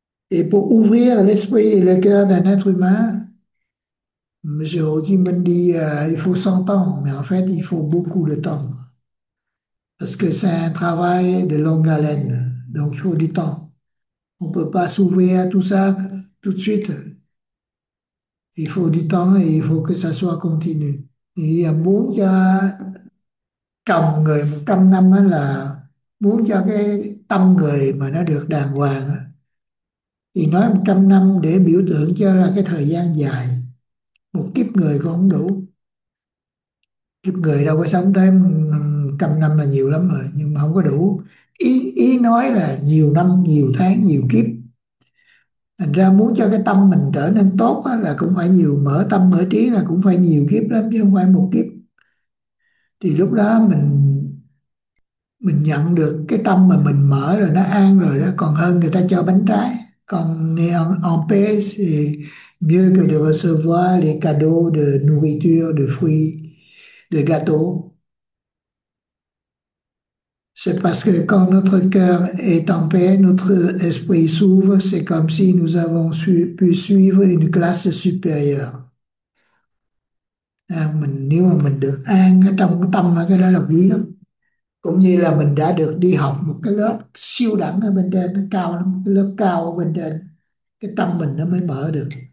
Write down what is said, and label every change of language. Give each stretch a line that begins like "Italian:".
French: Et pour ouvrir l'esprit et le cœur d'un être humain, Monsieur Ho Chi Minh dit, il faut 100 ans, mais en fait, il faut beaucoup de temps. Parce que c'est un travail de longue haleine, donc il faut du temps. On ne peut pas s'ouvrir à tout ça tout de suite. Il faut du temps et il faut que ça soit continu. Il y a beaucoup de
Vietnamese: tâm người, 100 năm là muốn cho cái tâm người mà nó được đàng hoàng. Thì nói 100 năm để biểu tượng cho là cái thời gian dài. Một kiếp người cũng không đủ. Kiếp người đâu có sống tới 100 năm là nhiều lắm rồi, nhưng mà không có đủ. Ý nói là nhiều năm, nhiều tháng, nhiều kiếp. Thành ra muốn cho cái tâm mình trở nên tốt á, là cũng phải nhiều mở tâm, mở trí là cũng phải nhiều kiếp lắm chứ không phải một kiếp. Thì lúc đó mình nhận được cái tâm mà mình mở rồi nó an rồi đó, còn hơn người ta cho bánh trái.
French: Còn en paix thì mieux que de recevoir les cadeaux de nourriture, de fruits, de gâteaux. C'est parce que quand notre cœur est en paix, notre esprit s'ouvre, c'est comme si nous avons pu suivre une classe supérieure.
Vietnamese: Nếu mà mình được an trong tâm, cái đó là quý lắm. Cũng như là mình đã được đi học một cái lớp siêu đẳng ở bên trên, nó cao lắm, cái lớp cao ở bên trên, cái tâm mình nó mới mở được.